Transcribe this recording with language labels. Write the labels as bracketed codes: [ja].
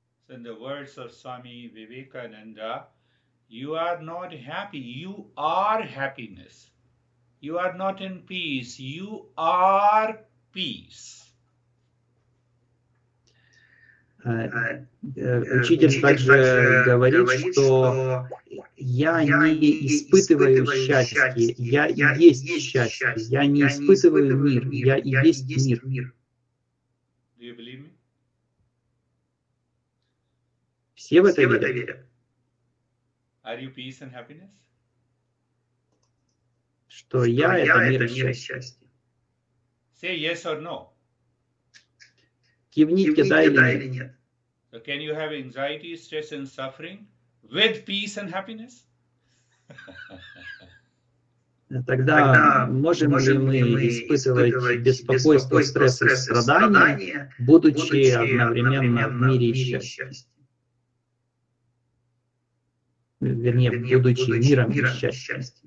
[en] In the words of Swami Vivekananda, you are not happy, you are happiness. You are not in peace, you are peace. [ru] Учитель также говорит, что я не испытываю счастье, я и есть счастье, я не испытываю мир, я и есть мир. [en] Do you believe me? [ru] Все в это верят. [en] Are you peace and happiness? [ru] Что я — это мир и счастье. [en] Say yes or no. [ru] Кивните да или нет. [en] So can you have anxiety, stress and suffering with peace and happiness? [ru] Тогда можем ли мы испытывать беспокойство, стресс и страдания, будучи одновременно в мире и счастье? Вернее, будучи миром и счастьем.